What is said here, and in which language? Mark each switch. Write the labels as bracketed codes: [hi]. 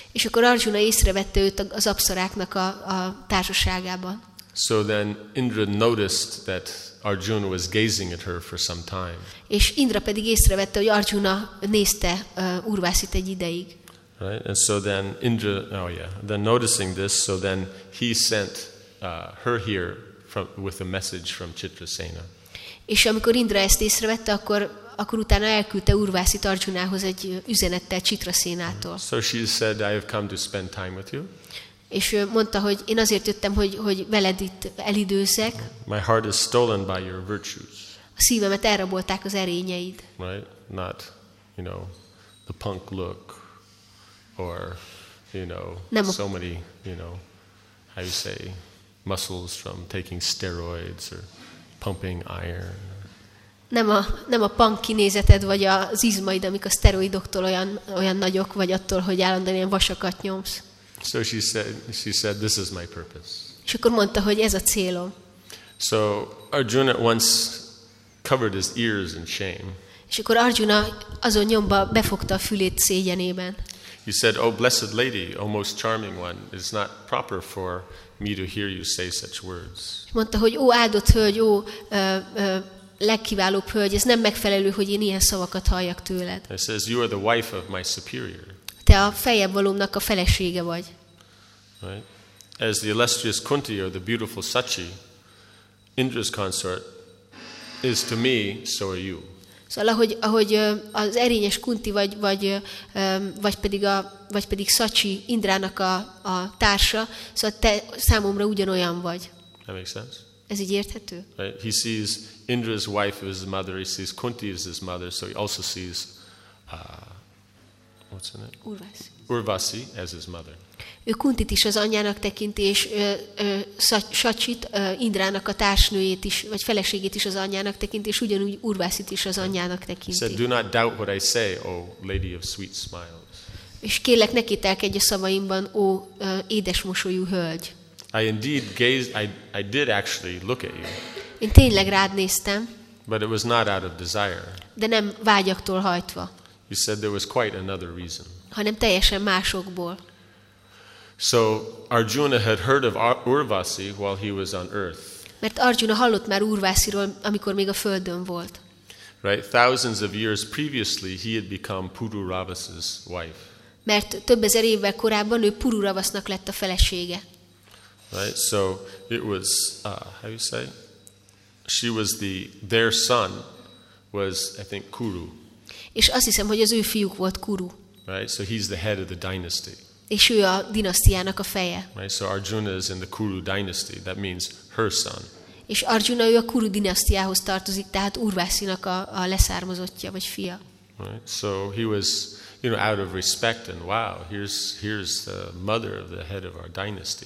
[hu] És akkor Arjuna észrevette őt az apszaráknak a társaságában. [en] So then Indra noticed that Arjuna was gazing at her for some time. [hu] És Indra pedig észrevette, hogy Arjuna nézte Urvasit egy ideig. [en] Right, and so then Indra, oh yeah, then noticing this, so then he sent her here with a message from Chitrasena. [hu] És amikor Indra ezt észrevette, akkor utána elküldte Urvasit Arjunához egy üzenettel Chitrasénától. [en] So she said, "I have come to spend time with you." [hu] És mondta, hogy én azért jöttem, hogy veled itt elidőzzek. [en] My heart is stolen by your virtues. [hu] A szívemet elrabolták az erényeid. [en] Right? Not, you know, the punk look, or, you know, so many, you know, how you say, muscles from taking steroids or pumping iron. [hu] nem a punk kinézeted, vagy az izmaid, amik a szteroidoktól olyan nagyok, vagy attól, hogy állandóan ilyen vasakat nyomsz. [en] So she said, this is my purpose. [hu] És akkor mondta, hogy ez a célom. [en] So Arjuna once covered his ears in shame. [hu] És akkor Arjuna azon nyomba befogta a fülét szégyenében. [en] He said, "Oh blessed lady, oh most charming one, it's not proper for me to hear you say such words." [hu] Mondta, hogy ó áldott hölgy, ó legkiválóbb hölgy, ez nem megfelelő, hogy én ilyen szavakat halljak tőled. [en] He says, "You are the wife of my superior." [hu] Te a feljebb valómnak a felesége vagy. [en] Right? As the illustrious Kunti or the beautiful Sachi, Indra's consort is to me, so are you. [hu] Szóval, ahogy az erényes Kunti vagy pedig Sachi Indrának a társa, szóval te számomra ugyanolyan vagy. [en] That makes sense. [hu] Ez így érthető? [en] Right. He sees Indra's wife as his mother. He sees Kunti as his mother. So he also sees what's her name? Urvasi as his mother. [hu] Ő Kuntit is az anyjának tekinti, és Sachit, Indrának a társnőjét is, vagy feleségét is az anyjának tekinti, és ugyanúgy Urvasit is az anyjának tekinti. [en] So do not doubt what I say, O lady of sweet smiles. [hu] És kérlek, ne kételkedj a szavaimban, ó édesmosolyú hölgy. [en] I did actually look at you. [hu] Én tényleg rád néztem. [en] But it was not out of desire. [hu] De nem vágyaktól hajtva. [en] He said there was quite another reason. [hu] Hanem teljesen másokból. [en] So Arjuna had heard of Urvasi while he was on earth. [hu] Mert Arjuna hallott már Urvasiról, amikor még a földön volt. [en] Right, thousands of years previously he had become Pururavas's wife. [hu] Mert több ezer évvel korábban ő Pururavasnak lett a felesége. [en] Right, so it was how you say? She was their son was I think Kuru. [hu] És azt hiszem, hogy az ő fiúk volt Kuru. [en] Right, so he's the head of the dynasty. [hu] És ő a dinasztiának a feje. [en] Right, so Arjuna is in the Kuru dynasty. That means her son. [hu] És Arjuna ő a Kuru dinasztiához tartozik, tehát Urvasinak a leszármazottja vagy fia. [en] Right, so he was, you know, out of respect and wow, here's the mother of the head of our dynasty.